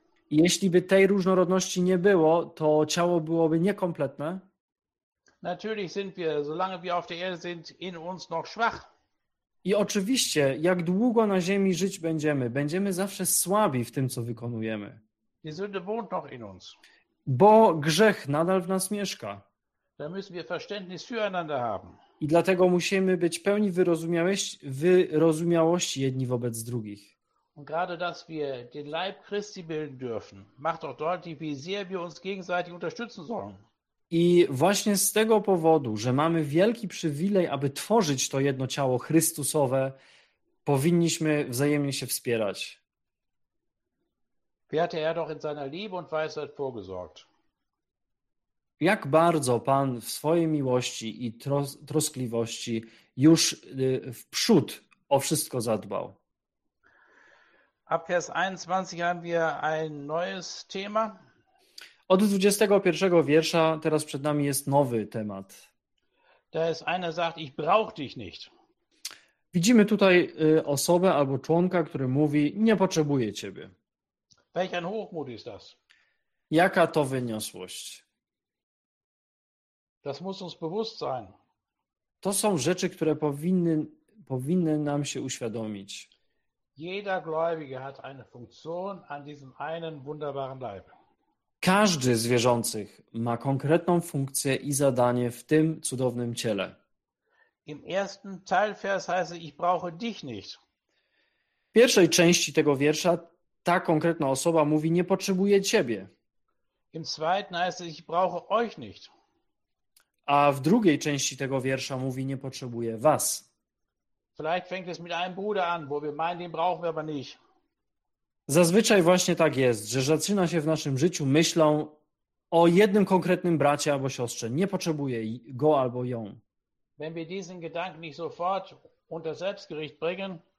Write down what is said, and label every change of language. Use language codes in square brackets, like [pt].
[pl] Jeśli by tej różnorodności nie było, to ciało byłoby niekompletne. [de] Natürlich sind wir, solange wir auf der Erde sind, in uns noch schwach. [pl] I oczywiście, jak długo na ziemi żyć będziemy, będziemy zawsze słabi w tym, co wykonujemy. [de] Die Sünde wohnt noch in uns. [pl] Bo grzech nadal w nas mieszka. [de] Da müssen wir Verständnis füreinander haben. [pl] I dlatego musimy być pełni wyrozumiałości jedni wobec drugich. [de] Und gerade, dass wir den Leib Christi bilden dürfen, macht auch deutlich, wie sehr wir uns gegenseitig unterstützen sollen. [pl] I właśnie z tego powodu, że mamy wielki przywilej, aby tworzyć to jedno ciało Chrystusowe, powinniśmy wzajemnie się wspierać. [de] Wie hatte er doch in seiner Liebe und Weisheit vorgesorgt. [pl] Jak bardzo Pan w swojej miłości i troskliwości już w przód o wszystko zadbał. [de] Ab Vers 21 haben wir ein neues Thema. [pl] Od 21 wiersza teraz przed nami jest nowy temat. [de] Da ist einer sagt, ich brauch dich nicht. [pl] Widzimy tutaj osobę albo członka, który mówi, nie potrzebuję ciebie. [de] Welch ein Hochmut ist das? [pl] Jaka to wyniosłość? [de] Das muss uns bewusst sein. [pl] To są rzeczy, które powinny nam się uświadomić. [de] Jeder Gläubige hat eine Funktion an diesem einen wunderbaren Leib. [pl] Każdy z wierzących ma konkretną funkcję i zadanie w tym cudownym ciele. [de] Im ersten Teilvers heißt es, ich brauche dich nicht. [pl] W pierwszej części tego wiersza ta konkretna osoba mówi, nie potrzebuje ciebie. [de] Im zweiten heißt es, ich brauche euch nicht. [pl] A w drugiej części tego wiersza mówi, nie potrzebuje was. [de] Vielleicht fängt es mit einem Bruder an, wo wir meinen, den brauchen wir aber nicht. [pl] Zazwyczaj właśnie tak jest, że zaczyna się w naszym życiu myślą o jednym konkretnym bracie albo siostrze. Nie potrzebuje go albo ją. [de] Wenn wir diesen Gedanken nicht sofort unter Selbstgericht bringen,